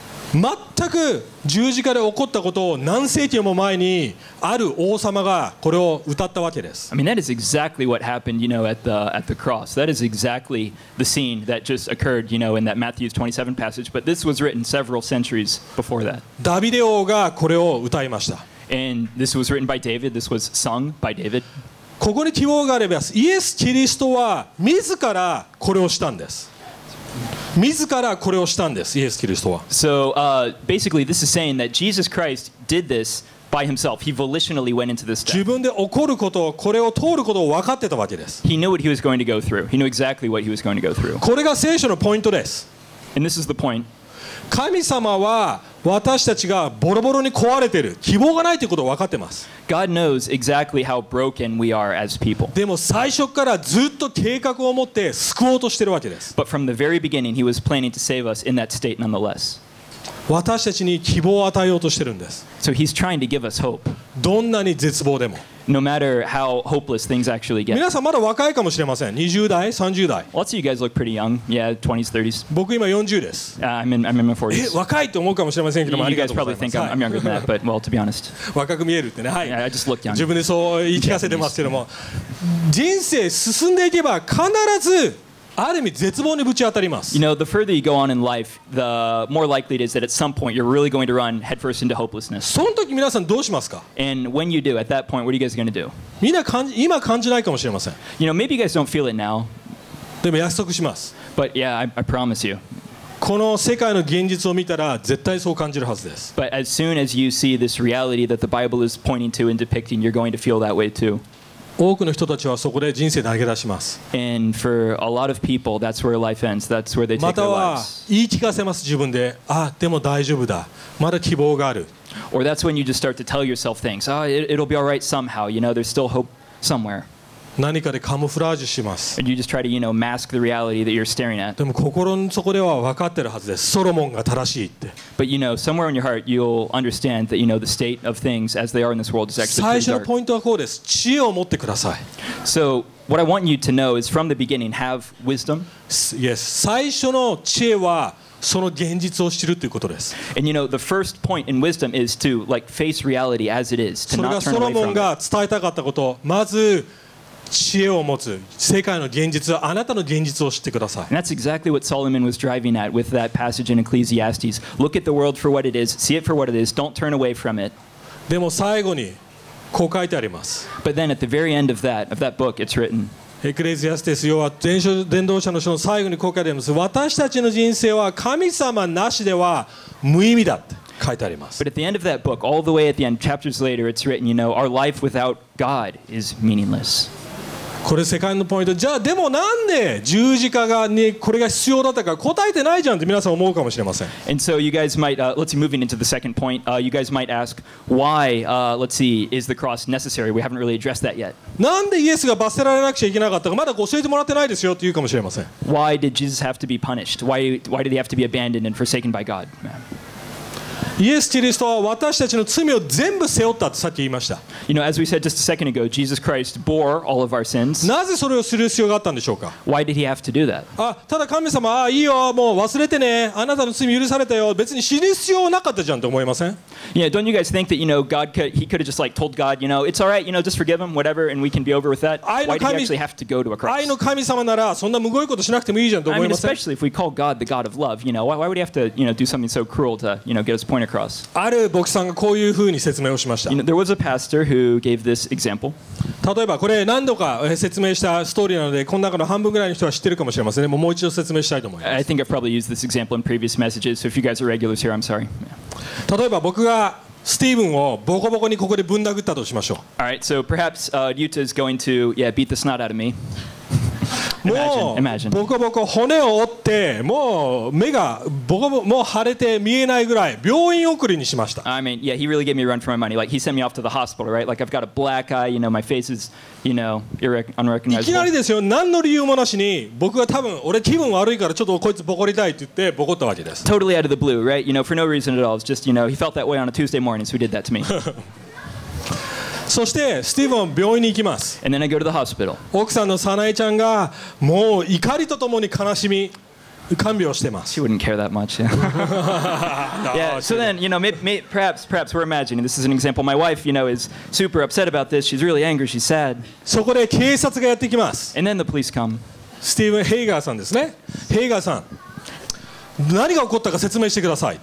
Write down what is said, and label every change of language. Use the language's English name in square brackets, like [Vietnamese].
[Japanese] 全く十字架で起こったことを何世紀も前にある王様がこれを歌ったわけです。 [English] I mean, that is exactly what happened, you know, at the cross. That is exactly the scene that just occurred, you know, in that Matthew's 27 passage. But this was written several centuries before that. [Japanese] ダビデ王がこれを歌いました。 [English] And this was written by David. This was sung by David. [Japanese] ここに希望があればイエス・キリストは自らこれをしたんです。自らこれをしたんです。イエス・キリストは [English] So, basically this is saying that Jesus Christ did this by himself. He volitionally went into this death. [Japanese] 自分で起こることをこれを通ることを分かってたわけです。 [English] He knew what he was going to go through. He knew exactly what he was going to go through. [Japanese] これが聖書のポイントです。 [English] And this is the point. [Japanese] 神様は私たちがボロボロに壊れている希望がないということを分かってます。 [English] God knows exactly how broken we are as people. [Japanese] でも最初からずっと計画を持って救おうとしているわけです。 [English] But from the very beginning he was planning to save us in that state nonetheless. [Japanese] 私たちに希望を与えようとしているんです。 [English] So he's trying to give us hope. [Japanese] どんなに絶望でも。 [English] no matter how hopeless things actually get. [Japanese] 皆さんまだ若いかもしれません。 20代、30代。 [English] Lots of you guys look pretty young. Yeah, 20s, 30s. [Japanese] 僕今40です。 [English] I'm in my 40s. [Japanese] 若いと思うかもしれませんけども、 [English] You guys probably think I'm younger than that, but well, to be honest. [Japanese] 若く見えるってね。はい。 [English] Yeah, I just look young. [Japanese] 自分でそう言い聞かせてますけども、人生進んでいけば必ずある意味絶望にぶち当たります。 [English] You know, the further you go on in life, the more likely it is that at some point you're really going to run headfirst into hopelessness. [Japanese] その時皆さんどうしますか? [English] And when you do, at that point, what are you guys going to do? [Japanese] みんな今感じないかもしれません。 [English] You know, maybe you guys don't feel it now. [Japanese] でも約束します。 [English] But yeah, I promise you. [Japanese] この世界の現実を見たら絶対そう感じるはずです。 [English] But as soon as you see this reality that the Bible is pointing to and depicting, you're going to feel that way too. [Japanese] 多くの人たちはそこで人生投げ出します。 [English] And for a lot of people, that's where life ends. That's where they take [Japanese] または言い聞かせます自分で、あ、でも大丈夫だ。まだ希望がある。 [English] Or that's when you just start to tell yourself things. Ah, it'll be all right somehow. You know, there's still hope somewhere. [Japanese] 何かでカムフラージュします。 [English] And you just try to, you know, mask the reality that you're staring at. [Japanese] でも心の底では分かってるはずです。ソロモンが正しいって。 [English] But you know, somewhere in your heart, you'll understand that, you know, the state of things as they are in this world is actually pretty dark. [Japanese] 最初のポイントはこうです。知恵を持ってください。 [English] So, what I want you to know is from the beginning, have wisdom. Yes, [Japanese] 最初の知恵はその現実を知るということです。 [English] And you know, the first point in wisdom is to, like, face reality as it is, to not turn away from it. [Japanese] それがソロモンが伝えたかったこと。まず、知恵を持つ世界の現実あなたの現実を知ってください。 [English] And that's exactly what Solomon was driving at with that passage in Ecclesiastes. Look at the world for what it is. See it for what it is. Don't turn away from it. [Japanese] でも最後にこう書いてあります。 [English] But then at the very end of that book, it's written. [Japanese] Ecclesiastes 要は伝道者の書の最後にこう書いてあります。私たちの人生は神様なしでは無意味だって。 [English] But at the end of that book, all the way at the end, chapters later, it's written, you know, our life without God is meaningless. [Japanese] これ世界のポイント。じゃあでもなんで十字架がね、これが必要だったか答えてないじゃんって皆さん思うかもしれません。 [English] And so you guys might, let's see, moving into the second point, you guys might ask, why, let's see, is the cross necessary? We haven't really addressed that yet. [Japanese] なんでイエスが罰せられなくちゃいけなかったか、まだ教えてもらってないですよって言うかもしれません。 [English] Why did Jesus have to be punished? Why did he have to be abandoned and forsaken by God? [Japanese] イエス・キリストは私たちの罪を全部背負ったとさっき言いました。 [English] You know, as we said just a second ago, Jesus Christ bore all of our sins. [Japanese] なぜそれをする必要があったんでしょうか? [English] Why did he have to do that? [Japanese] あ、ただ神様、あ、いいよ、もう忘れてね。あなたの罪許されたよ。別に死ぬ必要なかったじゃんと思いません? [English] Yeah, don't you guys think that, you know, he could have just like told God, you know, it's all right, you know, just forgive him, whatever, and we can be over with that. Why did he actually have to go to a cross? [Japanese] 愛の神様ならそんなむごいことしなくてもいいじゃんと思いません? [English] I mean, especially if we call God the God of love, you know, why would he have to, you know, do something so cruel to, you know, get his point across? [Japanese] ある牧師さんがこういうふうに説明をしました。 [English] You know, there was a pastor who gave this example. [Japanese] 例えばこれ何度か説明したストーリーなので、この中の半分ぐらいの人は知ってるかもしれませんね。もう一度説明したいと思います。 [English] I think I've probably used this example in previous messages, so if you guys are regulars here, I'm sorry. [Japanese] 例えば僕がスティーブンをボコボコにここでぶん殴ったとしましょう。 [English] All right, so perhaps Yuta is going to, yeah, beat the snot out of me. Imagine. [Japanese] ボコボコ骨を折って、もう目がボコボコもう腫れて見えないぐらい病院送りにしました。 [English] I mean, yeah, he really gave me a run for my money. Like he sent me off to the hospital, right? Like I've got a black eye, you know, my face is, you know, unrecognizable. [Japanese] いきなりですよ。何の理由もなしに、僕が多分俺気分悪いからちょっとこいつボコりたいって言ってボコったわけです。 [English] Totally out of the blue, right? You know, for no reason at all. It's just, you know, he felt that way on a Tuesday morning, so he did that to me. [Japanese] そしてスティーブン病院に行きます。 [English] And then I go to the hospital. [Japanese] 奥さんのサナエちゃんがもう怒りとともに悲しみ看病してます。 [English] She wouldn't care that much. Yeah. Yeah. So then, you know, perhaps we're imagining. This is an example. My wife, you know, is super upset about this. She's really angry. She's sad. [Japanese] そこで警察がやってきます。 [English] And then the police come. [Japanese] スティーブン・ヘイガーさんですね。ヘイガーさん。何が起こったか説明してください。